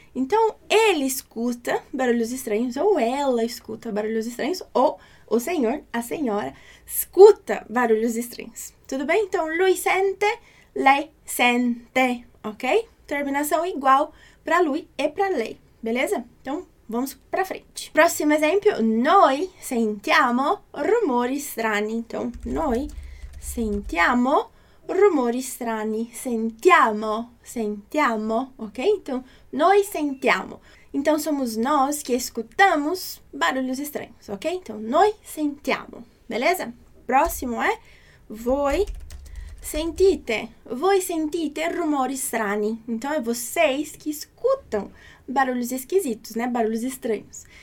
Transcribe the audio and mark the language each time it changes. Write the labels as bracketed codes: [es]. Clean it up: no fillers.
[pt] Então, ele escuta barulhos estranhos, ou ela escuta barulhos estranhos, ou o senhor, a senhora, escuta barulhos estranhos. Tudo bem? Então, [it] lui sente, lei sente, ok? [pt] Terminação igual para lui e para lei, beleza? Então, vamos para frente. Próximo exemplo: [it] noi sentiamo rumori strani. [pt] Então, [it] noi sentiamo rumori strani. Sentiamo, ok? [pt] Então, [it] noi sentiamo. [pt] Então, somos nós que escutamos barulhos estranhos, ok? Então, [it] noi sentiamo, [pt] beleza? Próximo é: [it] voi sentite rumori strani. [pt] Então, é vocês que escutam barulhos esquisitos, né? Barulhos estranhos.